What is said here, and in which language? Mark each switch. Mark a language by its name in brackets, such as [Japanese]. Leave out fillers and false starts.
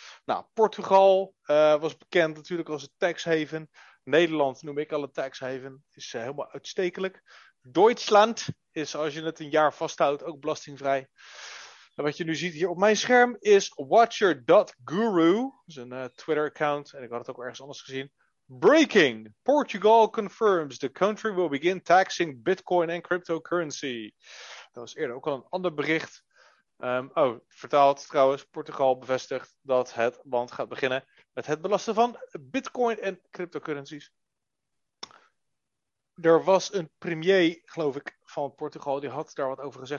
[Dutch] Nou, Portugal was bekend natuurlijk als een tax haven. Nederland noem ik al een tax haven. Is helemaal uitstekelijk. Duitsland is, als je het een jaar vasthoudt, ook belastingvrij. En wat je nu ziet hier op mijn scherm is watcher.guru. Dat is een Twitter-account. En ik had het ook ergens anders gezien. [English] Breaking! Portugal confirms the country will begin taxing Bitcoin and cryptocurrency. [Dutch] Dat was eerder ook al een ander bericht. Vertaald trouwens. Portugal bevestigt dat het land gaat beginnen met het belasten van Bitcoin en cryptocurrencies. Er was een premier, geloof ik, van Portugal. Die had daar wat over gezegd.